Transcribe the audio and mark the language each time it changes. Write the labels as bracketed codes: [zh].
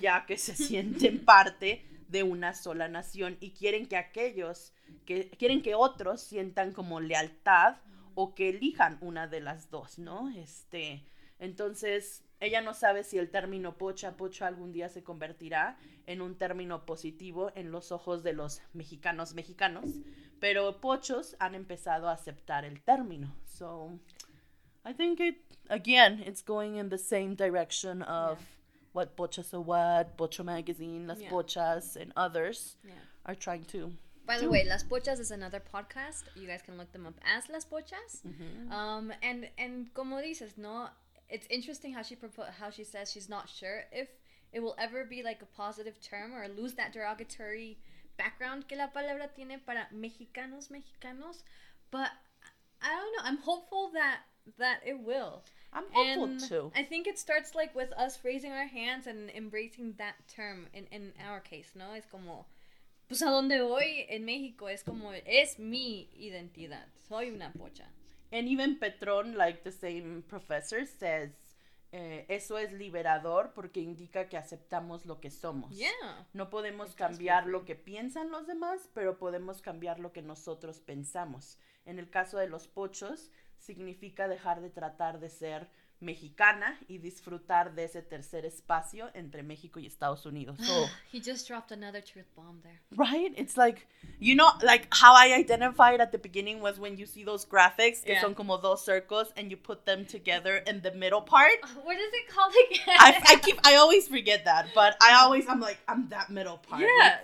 [es] Ya que se sienten parte de una sola nación y quieren que aquellos, quieren que otros sientan como lealtad o que elijan una de las dos, ¿no? Entonces, ella no sabe si el término pocho algún día se convertirá en un término positivo en los ojos de los mexicanos. Pero pochos han empezado a aceptar el término. [en] So, I think it, again, it's going in the same direction of what Bochas or What, Bocho Magazine, Las Bochas, and others are trying to. By the way, Las Bochas is another podcast. You guys can look them up as Las Bochas. Mm-hmm. And [es] como dices, no, [en] it's interesting how she how she says she's not sure if it will ever be like a positive term or lose that derogatory background [es] que la palabra tiene para mexicanos, mexicanos. [en] But I don't know. I'm hopeful that it will. I'm hopeful and too. I think it starts like with us raising our hands and embracing that term in our case, no? [es] Es como, pues a donde voy en México, es como, es mi identidad. Soy una pocha. [en] And even Petron, like the same professor, says, [es] eso es liberador porque indica que aceptamos lo que somos. [en] Yeah. [es] No podemos cambiar lo que piensan los demás, pero podemos cambiar lo que nosotros pensamos. En el caso de los pochos, significa dejar de tratar de ser mexicana y disfrutar de ese tercer espacio entre México y Estados Unidos. [en] So, he just dropped another truth bomb there. Right? It's like, you know, like how I identified at the beginning was when you see those graphics [es] que son como dos [en] circles and you put them together in the middle part. What is it called again? I always forget that, but I'm like, I'm that middle part. Yes.